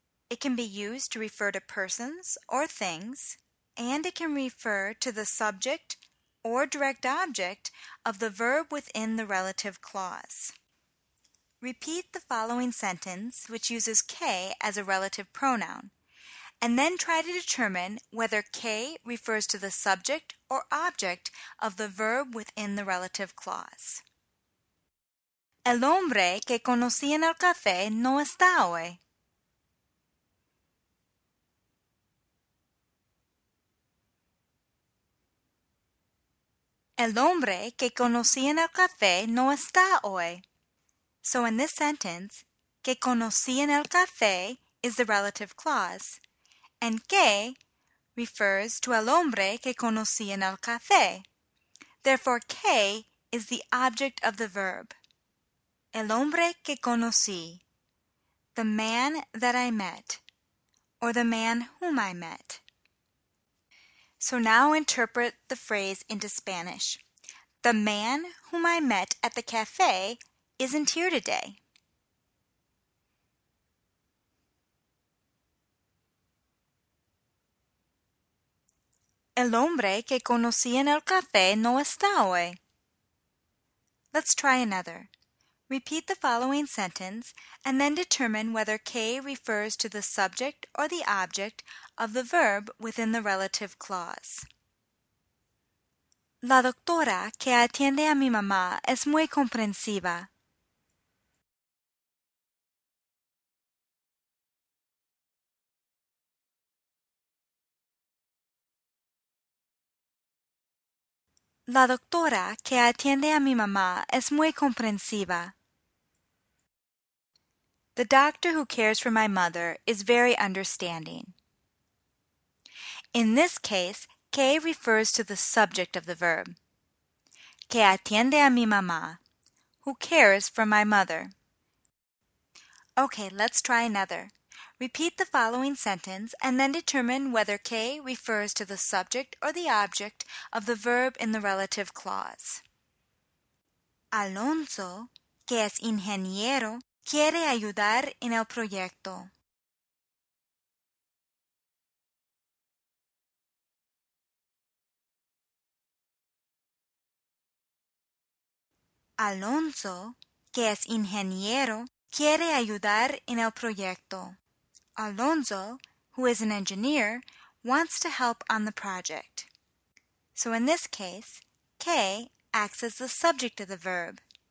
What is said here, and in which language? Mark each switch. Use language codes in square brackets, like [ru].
[en] It can be used to refer to persons or things, and it can refer to the subject or direct object of the verb within the relative clause. Repeat the following sentence, which uses que as a relative pronoun, and then try to determine whether que refers to the subject or object of the verb within the relative clause. [es] El hombre que conocí en el café no está hoy. El hombre que conocí en el café no está hoy. [en] So in this sentence, [es] que conocí en el café [en] is the relative clause, and que refers to [es] el hombre que conocí en el café. [en] Therefore, que is the object of the verb. [es] El hombre que conocí, [en] the man that I met, or the man whom I met. So now interpret the phrase into Spanish. The man whom I met at the cafe isn't here today. [es] El hombre que conocí en el café no está hoy. [en] Let's try another. Repeat the following sentence and then determine whether que refers to the subject or the object of the verb within the relative clause. [es] La doctora que atiende a mi mamá es muy comprensiva. La doctora que atiende a mi mamá es muy comprensiva. [en] The doctor who cares for my mother is very understanding. In this case, que refers to the subject of the verb. [es] Que atiende a mi mamá. [en] Who cares for my mother. Okay, let's try another. Repeat the following sentence and then determine whether que refers to the subject or the object of the verb in the relative clause. [es] Alonso, que es ingeniero, quiere ayudar en el proyecto. Alonso, que es ingeniero, quiere ayudar en el proyecto. [en] Alonso, who is an engineer, wants to help on the project. So in this case, que acts as the subject of the verb.